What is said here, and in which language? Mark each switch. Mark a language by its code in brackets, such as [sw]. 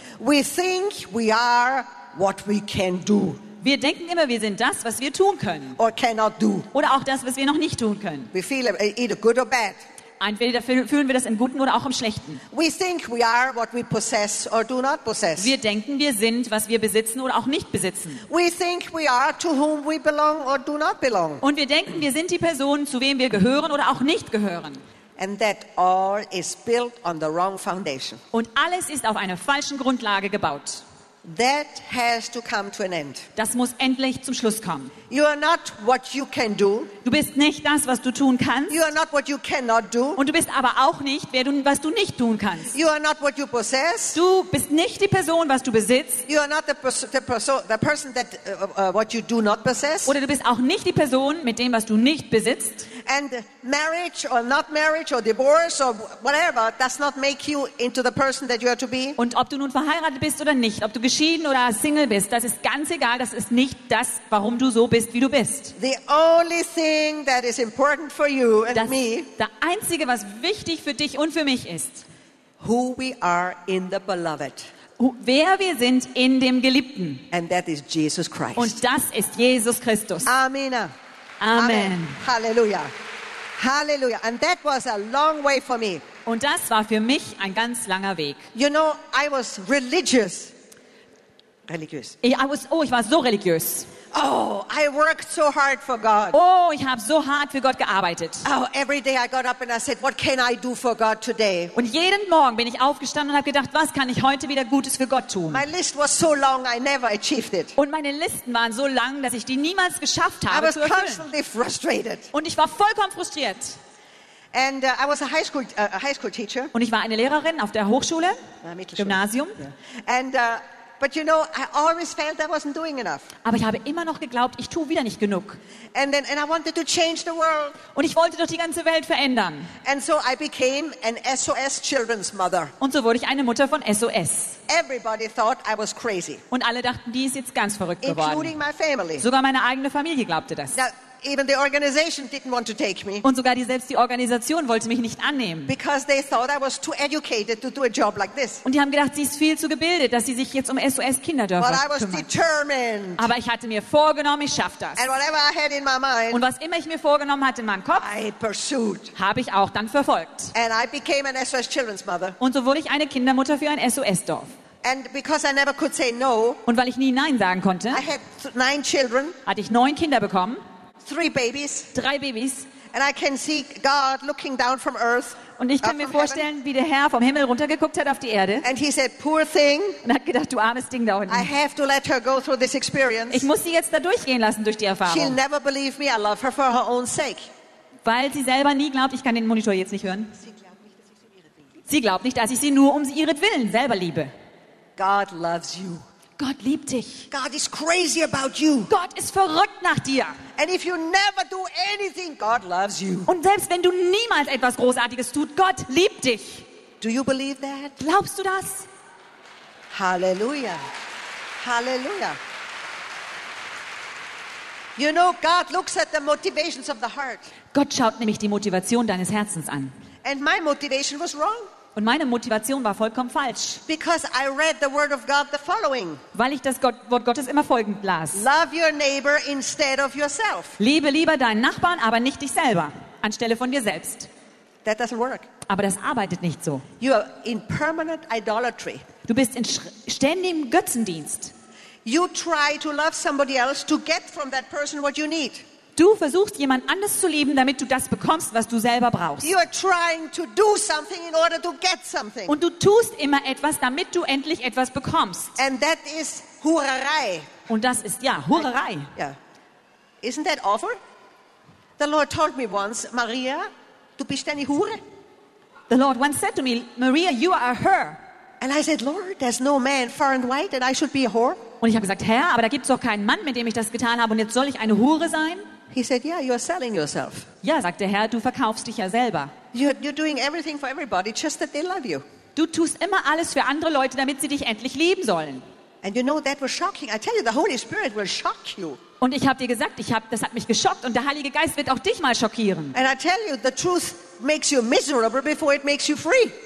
[en] We think we are what we can do. [de] Wir denken immer, wir sind das, was wir tun können. [en] Or cannot do. [de] Oder auch das, was wir noch nicht tun können. [en] We feel either good or bad. [de] Entweder fühlen wir das im Guten oder auch im Schlechten. [en] We think we are what we possess or do not possess. [de] Wir denken, wir sind, was wir besitzen oder auch nicht besitzen. [en] We think we are to whom we belong or do not belong. [de] Und wir denken, wir sind die Person, zu wem wir gehören oder auch nicht gehören. [en] And that all is built on the wrong foundation. [de] Und alles ist auf einer falschen Grundlage gebaut. [en] That has to come to an end. [de] Das muss endlich zum Schluss kommen. [en] You are not what you can do. [de] Du bist nicht das, was du tun kannst. [en] You are not what you cannot do. [de] Und du bist aber auch nicht, was du nicht tun kannst. [en] You are not what you possess. [de] Du bist nicht die Person, was du besitzt. [en] You are not the person that what you do not possess. [de] Oder du bist auch nicht die Person, mit dem, was du nicht besitzt. [en] And marriage or not marriage or divorce or whatever does not make you into the person that you are to be. [de] Und ob du nun verheiratet bist oder nicht, ob du geschieden oder Single bist, das ist ganz egal, das ist nicht das, warum du so bist, wie du bist. [en] The only thing that is important for you and me. [de] Das einzige, was wichtig für dich und für mich ist, [en] who we are in the beloved. [de] Wer wir sind in dem Geliebten. [en] And that is Jesus Christ. [de] Und das ist Jesus Christus. [en] Amen. [de] Amen. Hallelujah. Hallelujah. [en] And that was a long way for me. [de] Und das war für mich ein ganz langer Weg. [en] You know, I was religious. [de] Ich war so religiös. [en] Oh, I worked so hard for God. [de] Oh, ich habe so hart für Gott gearbeitet. [en] Oh, every day I got up and I said, what can I do for God today? [de] Und jeden Morgen bin ich aufgestanden und habe gedacht, was kann ich heute wieder Gutes für Gott tun? [en] My list was so long, I never achieved it. [de] Und meine Listen waren so lang, dass ich die niemals geschafft habe zu erfüllen. [en] I was constantly frustrated. [de] Und ich war vollkommen frustriert. [en] And I was a high school teacher. [de] Und ich war eine Lehrerin auf der Hochschule, Gymnasium. [en] Yeah. And but you know, I always felt I wasn't doing enough. [de] Aber ich habe immer noch geglaubt, ich tue wieder nicht genug. [en] And I wanted to change the world. [de] Und ich wollte doch die ganze Welt verändern. [en] And so I became an SOS children's mother. [de] Und so wurde ich eine Mutter von SOS. [en] Everybody thought I was crazy. [de] Und alle dachten, die ist jetzt ganz verrückt [en] including [de] geworden. [en] My family. [de] Sogar meine eigene Familie glaubte das. [en] Now, even the organization didn't want to take me. [de] Und sogar die Organisation wollte mich nicht annehmen. [en] Because they thought I was too educated to do a job like this. [de] Und die haben gedacht, sie ist viel zu gebildet, dass sie sich jetzt um SOS Kinderdörfer kümmert. [en] But I was determined. [de] Aber ich hatte mir vorgenommen, ich schaffe das. [en] And whatever I had in my mind. [de] Und was immer ich mir vorgenommen hatte in meinem Kopf, [en] I pursued. [de] Habe ich auch dann verfolgt. [en] And I became an SOS children's mother. [de] Und so wurde ich eine Kindermutter für ein SOS Dorf. [en] And because I never could say no. [de] Und weil ich nie nein sagen konnte. [en] I had 9 children. [de] Hatte ich 9 Kinder bekommen. [en] 3 babies. [de] 3 Babys. [en] And I can see God looking down from earth. [de] Und ich kann mir vorstellen, wie der Herr vom Himmel runtergeguckt hat auf die Erde. [en] And he said, poor thing. [de] Und hat gedacht, du armes Ding da unten. [en] I have to let her go through this experience. [de] Ich muss sie jetzt da durchgehen lassen durch die Erfahrung. [en] She'll never believe me. I love her for her own sake. [de] Weil sie selber nie glaubt, ich kann den Monitor jetzt nicht hören. Sie glaubt nicht, dass ich sie nur um sie ihretwillen selber liebe. [en] God loves you. [de] Gott liebt dich. [en] God is crazy about you. [de] Gott ist verrückt nach dir. [en] And if you never do anything, God loves you. [de] Und selbst wenn du niemals etwas Großartiges tut, Gott liebt dich. [en] Do you believe that? [de] Glaubst du das? Halleluja. Halleluja. [en] You know, God looks at the motivations of the heart. [de] Gott schaut nämlich die Motivation deines Herzens an. [en] And my motivation was wrong. [de] Und meine Motivation war vollkommen falsch. [en] Because I read the word of God the following. [de] Weil ich das Wort Gottes immer folgend las. [en] Love your neighbor instead of yourself. [de] Liebe lieber deinen Nachbarn, aber nicht dich selber, anstelle von dir selbst. [en] That doesn't work. [de] Aber das arbeitet nicht so. [en] You are in permanent idolatry. [de] Du bist in ständigem Götzendienst. [en] You try to love somebody else to get from that person what you need. [de] Du versuchst, jemand anders zu lieben, damit du das bekommst, was du selber brauchst. [en] You are trying to do something in order to get something. [de] Und du tust immer etwas, damit du endlich etwas bekommst. [en] And that is Hurerei. [de] Und das ist, ja, Hurerei. [en] Yeah. Isn't that awful? The Lord told me once, [de] Maria, du bist eine Hure. [en] The Lord once said to me, Maria, you are a whore. And I said, Lord, there's no man far and wide and I should be a whore. [de] Und ich habe gesagt, Herr, aber da gibt's doch keinen Mann, mit dem ich das getan habe und jetzt soll ich eine Hure sein? [en] He said, yeah, you're selling yourself. [de] Ja, sagt der Herr, du verkaufst dich ja selber. [en] You're doing everything for everybody, just that they love you. [de] Du tust immer alles für andere Leute, damit sie dich endlich lieben sollen. [en] And you know, that was shocking. I tell you, the Holy Spirit will shock you. [de] Und ich habe dir gesagt, das hat mich geschockt und der Heilige Geist wird auch dich mal schockieren. [en] And I tell you, the truth makes you miserable before it makes you free.